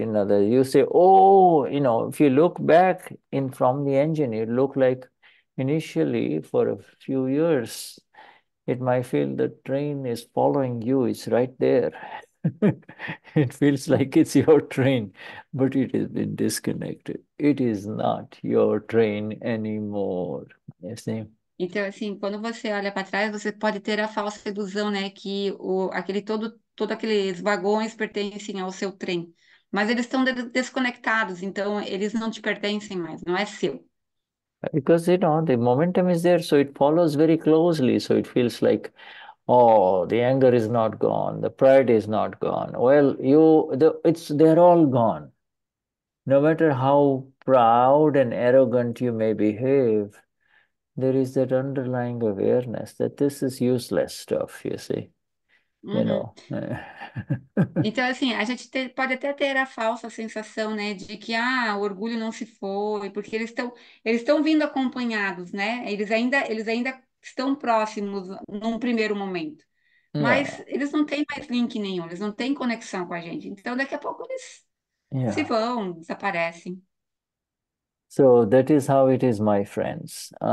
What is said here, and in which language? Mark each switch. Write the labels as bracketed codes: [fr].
[en] In other words, you say, oh, you know, if you look back in from the engine, it look like. Initially, for a few years, it might feel the train is following you. It's right there. It feels like it's your train, but it has been disconnected. It is not your train anymore. You see? [pt] Então, assim, quando você olha para trás, você pode ter a falsa ilusão, né, que todo aqueles vagões pertencem ao seu trem, mas eles estão desconectados, então eles não te pertencem mais, não é seu. [en] Because you know the momentum is there, so it follows very closely. So it feels like, oh, the anger is not gone, the pride is not gone. Well, they're all gone. No matter how proud and arrogant you may behave, there is that underlying awareness that this is useless stuff, you see. You know. [pt] Então, assim, a gente pode até ter a falsa sensação, né, de que o orgulho não se foi, porque eles estão vindo acompanhados, né? Eles ainda estão próximos num primeiro momento. Mas eles não têm mais link nenhum, eles não têm conexão com a gente. Então, daqui a pouco eles se vão, desaparecem. [en] So that is how it is, my friends.